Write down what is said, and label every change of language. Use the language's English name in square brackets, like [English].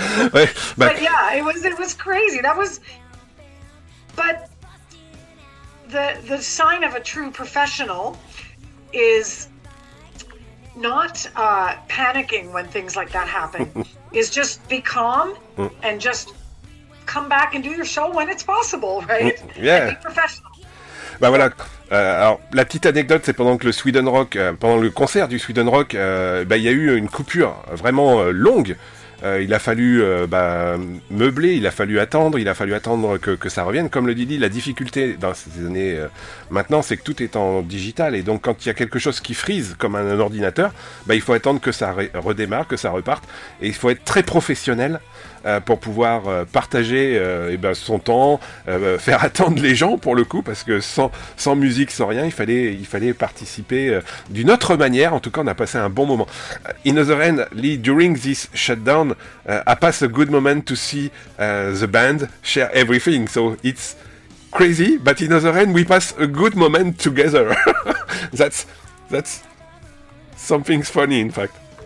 [English] but yeah, it was crazy. The sign of a true professional is not panicking when things like that happen. Is just be calm and just come back and do your show when it's possible, right? Yeah. And be professional. [French] Ben voilà, alors la petite anecdote, c'est pendant que le Sweden Rock, pendant le concert du Sweden Rock, il y a eu une coupure vraiment longue. Il a fallu meubler, il a fallu attendre que ça revienne. Comme le dit, la difficulté dans ces années maintenant, c'est que tout est en digital. Et donc, quand il y a quelque chose qui frise, comme un ordinateur, il faut attendre que ça redémarre, que ça reparte. Et il faut être très professionnel pour pouvoir partager son temps, faire attendre les gens, pour le coup, parce que sans musique, sans rien, il fallait participer d'une autre manière. En tout cas, on a passé un bon moment. [English] In other end, Lee, during this shutdown, I pass a good moment to see the band share everything, so it's crazy, but in other end we pass a good moment together. that's something's funny in fact.